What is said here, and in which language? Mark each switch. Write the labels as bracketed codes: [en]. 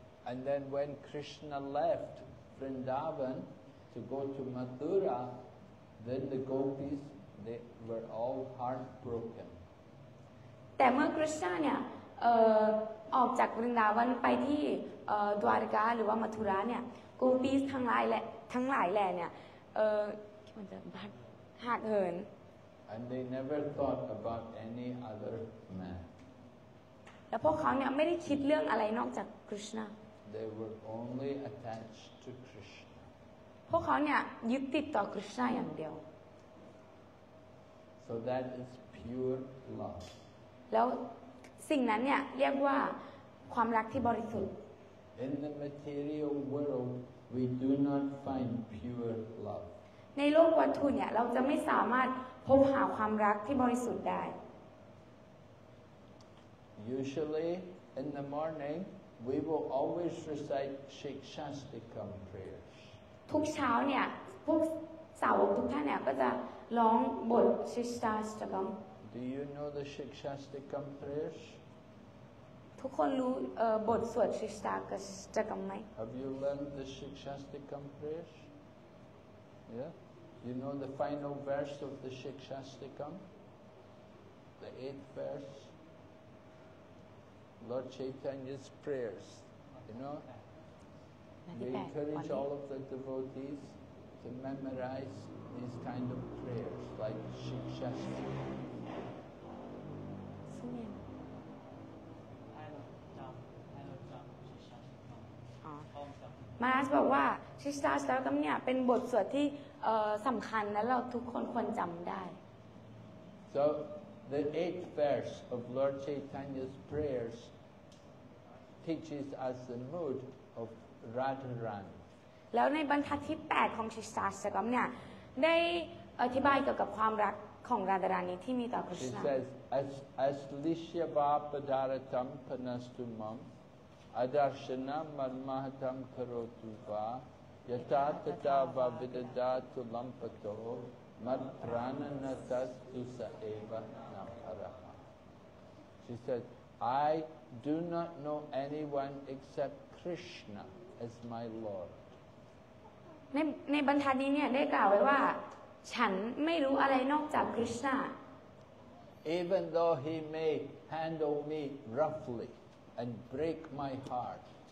[en] And then when Krishna left Vrindavan to go to Mathura, then the gopis they were all heartbroken. [th] แต่เมื่อ Krishna เนี่ยออกจาก Vrindavan ไปที่ Dwarka หรือว่า Mathura เนี่ย gopis ทั้งหลายแหละเนี่ยมันจะหักเหิน [en] And they never thought about any other man. [th] แล้วพวกเขาเนี่ยไม่ได้คิดเรื่องอะไรนอกจาก Krishna. [en] They were only attached to Krishna. [th] พวกเขาเนี่ยยึดติดต่อคริสต์นาอย่างเดียว [en] So that is pure love. [th] แล้วสิ่งนั้นเนี่ยเรียกว่าความรักที่บริสุทธิ์ [en] In the material world, we do not find pure love. [th] ในโลกวัตถุเนี่ยเราจะไม่สามารถพบหาความรักที่บริสุทธิ์ได้ [en] Usually, in the morning,We will always recite Shikshastikam prayers. [th] ทุกเช้าเนี่ยพวกสาวกทุกท่านเนี่ยก็จะร้องบท Shikshastikam. [en] Do you know the Shikshastikam prayers? [th] ทุกคนรู้บทสวด Shikshastikam ไหม [en] Have you learned the Shikshastikam prayers? Yeah. You know the final verse of the Shikshastikam? The 8th verse. Lord Chaitanya's prayers, you know. We encourage all of the devotees to memorize these kind of prayers, like Shikshastikam. [th] มาสบอกว่า Shikshastikam เนี่ยเป็นบทสวดที่สำคัญและเราทุกคนควรจำได้ [en] So the 8th verse of Lord Chaitanya's prayersteaches us the mood of Radharani. [th] แล้วในบรรทัดที่8ของชิสาสกัมเนี่ยได้อธิบายเกี่ยวกับความรักของราดารานีที่มีต่อคริสต์นา [en] She says, [sa] as lishya vapadaratam panastumam adarshanam marmahatam karotuva yatatata vavidadatu lampato marpranatatusa eva namparaha [en] She said, I do not know anyone except Krishna as my Lord. [th] ในบรรทัดนี้เนี่ยได้กล่าวไว้ว่าฉันไม่รู้อะไรนอกจากคริสต์นา [en] Even though he may handle me roughly and break my heart.